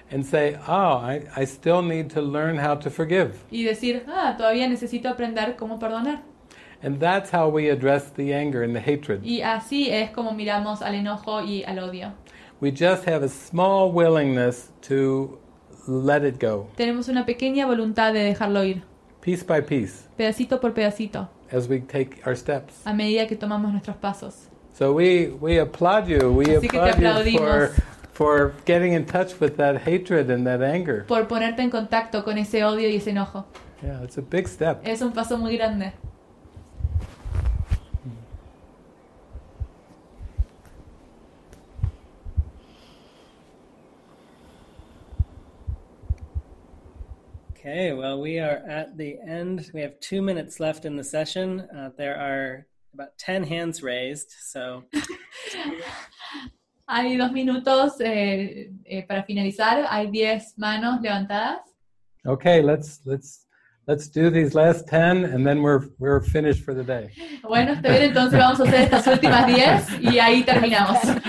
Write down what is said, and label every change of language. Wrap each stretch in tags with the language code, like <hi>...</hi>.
<en>And say, oh, I still need to learn how to forgive.</en> <es>Y decir, ah, todavía necesito aprender cómo perdonar.</es> <en>And that's how we address the anger and the hatred.</en> <es>Y así es como miramos al enojo y al odio.</es> <en>We just have a small willingness to let it go.</en> <es>Tenemos una pequeña voluntad de dejarlo ir.</es> <en>Piece by piece.</en> <es>Pedacito por pedacito.</es> <en>As we take our steps.</en> <es>A medida que tomamos nuestros pasos.</es> <en>So we applaud you. We</en> <es>así</es> <en>applaud</en> <es>que te aplaudimos.</es> <en>You for getting in touch with that hatred and that anger.</en> <es>Por ponerte en contacto con ese odio y ese enojo.</es> <en>Yeah, it's a big step.</en> <es>Es un paso muy grande.</es> <en>Okay, well, we are at the end. We have 2 minutes left in the session. There are about 10 hands raised, so.</en> <es>Hay 2 minutos para finalizar. Hay 10 manos levantadas.</es> <en>Okay, let's do these last 10, and then we're finished for the day.</en> <es>Bueno, está bien, entonces vamos a hacer estas últimas 10, y ahí terminamos.</es>